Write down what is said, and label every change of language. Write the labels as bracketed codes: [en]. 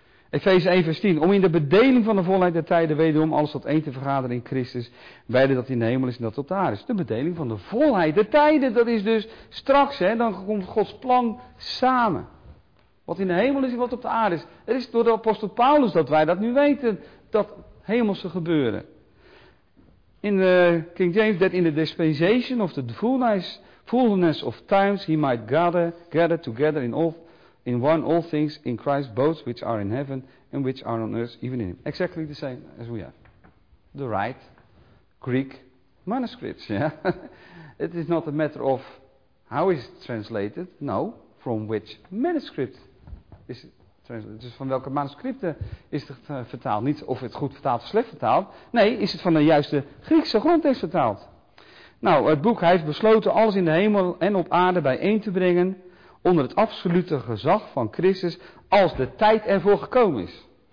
[nl] Efeze 1 vers 10. Om in de bedeling van de volheid der tijden wederom alles tot één te vergaderen in Christus. Beide dat in de hemel is en dat op de aarde is. De bedeling van de volheid der tijden. Dat is dus straks, hè. Dan komt Gods plan samen. Wat in de hemel is en wat op de aarde is. Het is door de apostel Paulus dat wij dat nu weten. Dat hemelse gebeuren. In de [en] King James, that in the dispensation of the fullness of times, he might gather together in one all things in Christ, both which are in heaven and which are on earth, even in him. Exactly the same as we have. The right Greek manuscripts. Yeah? It is not a matter of how is it translated. No, from which manuscript. [nl] Dus van welke manuscripten is het vertaald? Niet of het goed vertaald of slecht vertaald. Nee, is het van de juiste Griekse grondtekst vertaald? Nou, het boek, hij heeft besloten alles in de hemel en op aarde bijeen te brengen onder het absolute gezag van Christus als de tijd ervoor gekomen is.